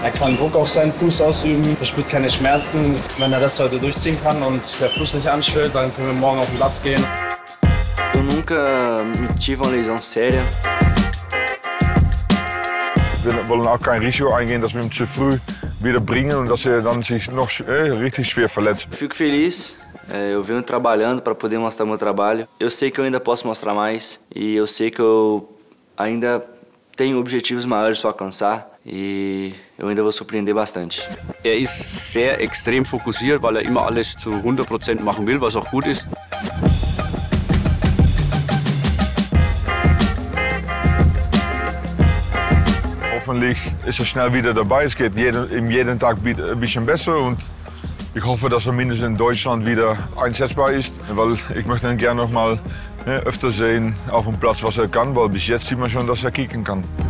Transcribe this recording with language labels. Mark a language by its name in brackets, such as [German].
[German] Er kann Druck auf seinen Fuß ausüben, er spürt keine Schmerzen. Wenn er das heute durchziehen kann und der Fuß nicht anschwillt, dann können wir morgen auf den Platz gehen. [Portuguese] Du nunca me tive uma lesão séria. [German] Wir wollen auch kein Risiko eingehen, dass wir ihn zu früh wieder bringen und dass er dann sich noch richtig schwer verletzt. [Portuguese] Fico feliz. Eu venho trabalhando para poder mostrar meu trabalho. Eu sei que eu ainda posso mostrar mais e eu sei que eu ainda tenho objetivos maiores para alcançar. E eu ainda vou surpreender bastante. [German] Ist sehr extrem fokussiert, weil immer alles zu 100% machen will, was auch gut ist. Hoffentlich ist schnell wieder dabei. Es geht jeden Tag ein bisschen besser und ich hoffe, dass mindestens in Deutschland wieder einsetzbar ist, weil ich möchte ihn gerne noch mal öfter sehen auf dem Platz, was kann, weil bis jetzt sieht man schon, dass kicken kann.